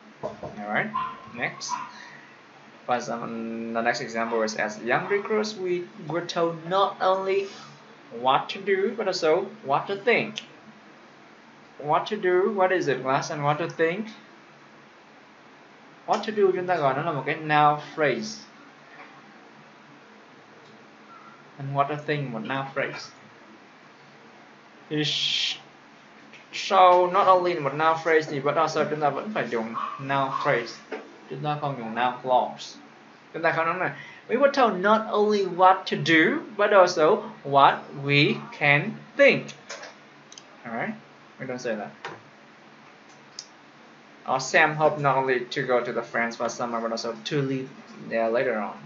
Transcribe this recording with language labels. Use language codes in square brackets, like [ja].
[en] Alright, next. The next example is, as young recruits, we were told not only what to do, but also what to think. What to do, what is it, class, and what to think? What to do, [vi] chúng ta gọi nó là một cái noun phrase. [en] And what to think, một noun phrase. So, not only một noun phrase, but also [vi] chúng ta vẫn phải dùng [en] noun phrase. [vi] Chúng ta không dùng noun clause. Chúng ta không nói là, [en] we were told not only what to do, but also what we can think. Alright? We don't say that. Or Sam hoped not only to go to the France for summer, but also to live there later on.